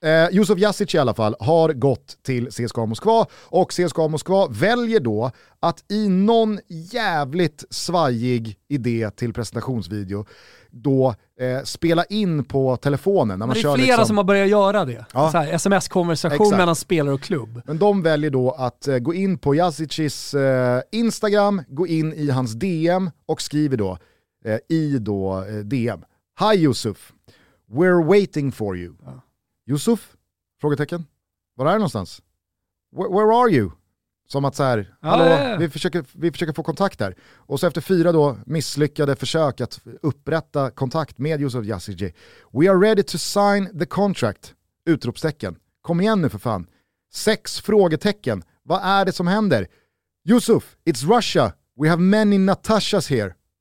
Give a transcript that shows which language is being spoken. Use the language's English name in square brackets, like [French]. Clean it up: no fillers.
[Swedish] Jusuf Jasic i alla fall har gått till CSKA Moskva, och CSKA Moskva väljer då att i någon jävligt svajig idé till presentationsvideo då spela in på telefonen. När man det kör är flera liksom... som har börjat göra det. Ja. Så här, sms-konversation exakt. Mellan spelare och klubb. Men de väljer då att gå in på Jasicis Instagram, gå in i hans DM och skriver då DM. [English] Hi Jusuf, we're waiting for you. [Swedish] Ja. Jusuf? Frågetecken. Var är du någonstans? [English] Where are you? [Swedish] Som att så här, hallå, ja, ja, ja. Vi försöker få kontakt där. Och så efter fyra då misslyckade försök att upprätta kontakt med Jusuf Jasic. [English] We are ready to sign the contract. [Swedish] Utropstecken. Kom igen nu för fan. Sex frågetecken. Vad är det som händer? Jusuf, [English] it's Russia. We have many Natashas here.